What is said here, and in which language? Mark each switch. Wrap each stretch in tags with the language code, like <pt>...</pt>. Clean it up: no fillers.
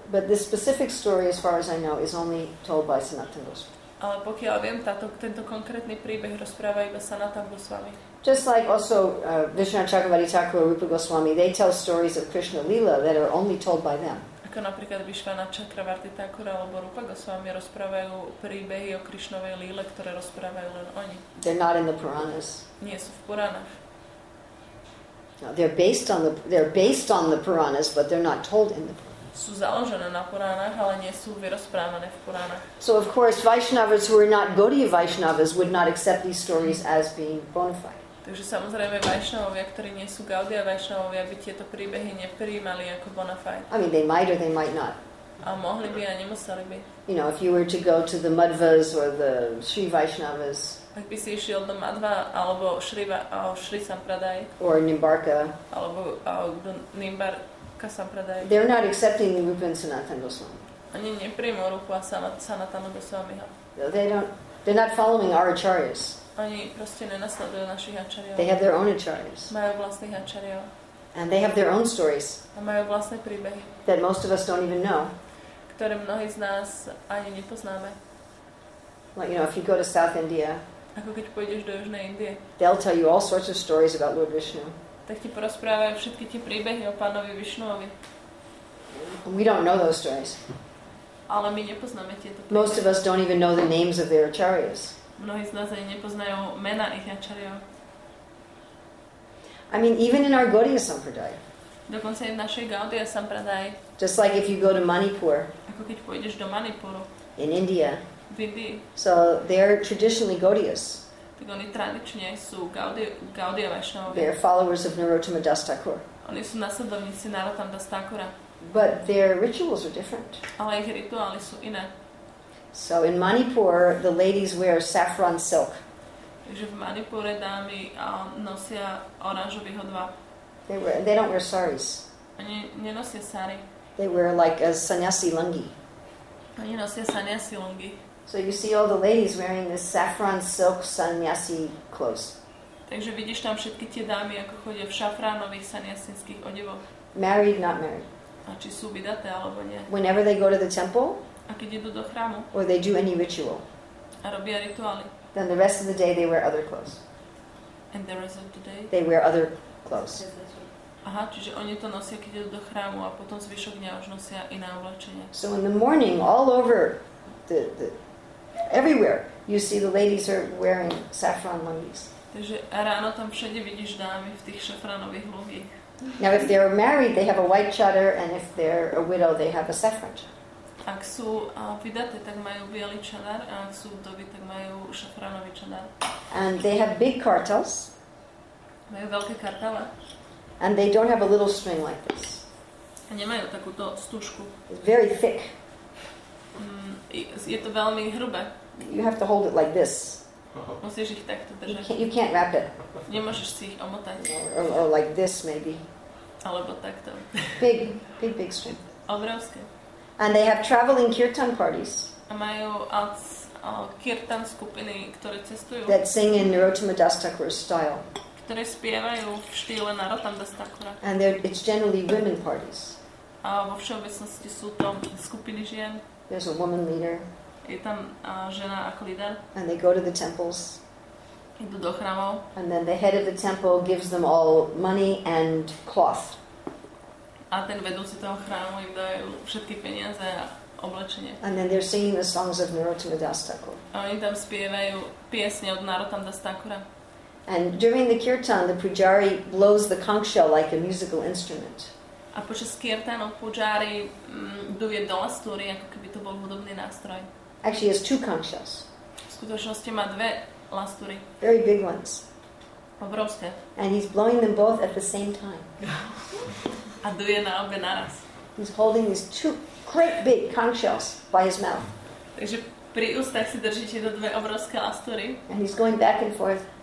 <en>But the specific story as far as I know is only told by Sanatana Goswami.</en> <sk>Ale pokiaľ viem, tento konkrétny príbeh rozpráva iba Sanatana Goswami.</sk> <en>Just like also Vishnu Chakravarti Thakur and Rupa Goswami, they tell stories of Krishna Lila that are only told by them.</en> <sk>Ako napríklad Vishnu Chakravarti Thakur alebo Rupa Goswami rozprávajú príbehy o Krišnovej Líle, ktoré rozprávajú len oni.</sk> <en>They're not in the Puranas.</en> <sk>Nie sú v Puranách.</sk> <en>No, they're based on the Puranas, but they're not told in the Puranas.</en> <sk>Sú založené na Puránach, ale nie sú vyrozprávané v Puránach.</sk> <en>So of course, Vaishnavas who are not Gaudiya Vaishnavas would not accept these stories as being bona fide.</en> <sk>Takže samozrejme Vaishnavovia, ktorí nie sú Gaudiya Vaishnavovia, by tieto príbehy neprijímali ako bona fide.</sk> <en>I mean, they might or they might not.</en> <sk>A mohli by a nemuseli by.</sk> <en>You know, if you were to go to the Madhvas or the Sri Vaishnavas.</en> <sk>Ak by si išiel do Madhva alebo Shri Sampradaya.</sk> <en>Or Nimbarka.</en> <sk>Alebo do Nimbarka Sampradaya.</sk> <en>They're not accepting Rupa and Sanatana Goswami.</en> <sk>Oni neprijmú Rupa Sanatana Goswamiha.</sk> <en>They're not following our acharyas.</en> <sk>Oni proste nenasledujú našich acharyov.</sk> <en>They have their own acharyas.</en> <sk>Majú vlastných acharyov.</sk> <en>And they have their own stories.</en> <sk>A majú vlastné príbehy.</sk> <en>That most of us don't even know.</en> <sk>Ktoré mnohí z nás ani nepoznáme.</sk> <en>Like, you know, if you go to South India,</en> <sk>ako keď pôjdeš do Južnej Indie,</sk> <en>they'll tell you all sorts of stories about Lord Vishnu.</en> <sk>Tak ti porozprávajú všetky tie príbehy o pánovi Vishnuovi.</sk> <en>We don't know those stories.</en> <sk>Ale my nepoznáme tieto príbehy.</sk> <en>Most of us don't even know the names of their acharyas.</en> <sk>Mnohí z nás ani nepoznajú mena ich acharyov.</sk> <en>I mean, even in our Gaudiya Sampradaya.</en> <sk>Dokonca aj v našej Gaudiya Sampradaya.</sk> <en>Just like if you go to Manipur.</en> <sk>Ako keď pôjdeš do Manipuru.</sk> <en>In India.</en> <sk>V Indii.</sk> <en>So they are traditionally Gaudiyas.</en> <sk>Tak oni tradične sú Gaudiya Vaishnavovia.</sk> <en>They are followers of Narottama Das Thakur.</en> <sk>Oni sú nasledovníci Narottama Das Thakura.</sk> <en>But their rituals are different.</en> <sk>Ale ich rituály sú iné.</sk> <en>So in Manipur, the ladies wear saffron silk.</en> <sk>Takže v Manipure dámy nosia oranžový hodvab.</sk> <en>They don't wear saris.</en> <sk>Oni nenosia sari.</sk> <en>They wear like a sanyasi lungi.</en> <sk>Oni nosia sanyasi lungi.</sk> <en>So you see all the ladies wearing this saffron silk sanyasi clothes.</en> <sk>Takže vidíš tam všetky tie dámy, ako chodia v šafránových sanyasinských odevoch.</sk> <en>Married, not married.</en> <sk>A či sú vydaté, alebo nie.</sk> <en>Whenever they go to the temple,</en> <sk>a keď idú do chrámu,</sk> <en>or they do any ritual,</en> <sk>a robia rituály,</sk> <en>then the rest of the day they wear other clothes. And the rest of the day? They wear other clothes.</en> <sk>Aha, čiže oni to nosia, keď idú do chrámu a potom zvyšok dňa už nosia iné oblečenie.</sk> <en>So in the morning, all over, the everywhere, you see the ladies are wearing saffron lungis.</en> <sk>Takže ráno tam všade vidíš dámy v tých šafranových lungích.</sk> <en>Now if they're married, they have a white chadar, and if they're a widow, they have a saffron chadar.</en> <sk>Ak sú vydaté, tak majú biely čadar, a ak sú vdovy, tak majú šafránový čadar.</sk> <en>And they have big kartals.</en> <sk>Majú veľké kartale.</sk> <en>And they don't have a little string like this.</en> <sk>A nemajú takúto stužku.</sk> <en>It's very thick.</en> <sk>Je to veľmi hrubé.</sk> <en>You have to hold it like this.</en> <sk>Musíš ich takto držať.</sk> <en>You can't wrap it.</en> <sk>Nemôžeš si ich omotať.</sk> <en>Or like this maybe.</en> <sk>Alebo takto.</sk> <en>Big string.</en> <sk>Obrovské.</sk> <en>And they have traveling kirtan parties.</en> <sk>A majú kirtan skupiny, ktoré cestujú.</sk> <en>That sing in Narottama Das Thakur style.</en> <sk>Ktoré spievajú v štýle Narottama Das Thakura.</sk> <en>And it's generally women parties.</en> <sk>A vo všeobecnosti sú to skupiny žien.</sk> <en>There's a woman leader.</en> <sk>Je tam žena ako líder.</sk> <en>And they go to the temples.</en> <sk>Idú do chrámov.</sk> <en>And then the head of the temple gives them all money and cloth.</en> <sk>A ten vedúci toho chrámu im dajú všetky peniaze a oblečenie.</sk> <en>And then they're singing the songs of Narottama Das Thakur.</en> <sk>A oni tam spievajú piesne od Narottama Das Thakura.</sk> <en>And during the kirtan, the pujari blows the conch shell like a musical instrument.</en> <sk>A počas kirtanu pujari duje do lastúry, ako keby to bol hudobný nástroj.</sk> <en>Actually, has two conch shells.</en> <sk>V skutočnosti má dve lastúry.</sk> <en>Very big ones.</en> <sk>Obrovské.</sk> <en>And he's blowing them both at the same time.</en> <sk>A duje na obe naraz.</sk> <en>He's holding these two great big conch shells by his mouth.</en> <sk>Takže pri ústach si drží tieto dve obrovské lastúry.</sk> <en>And he's going back and forth.</en>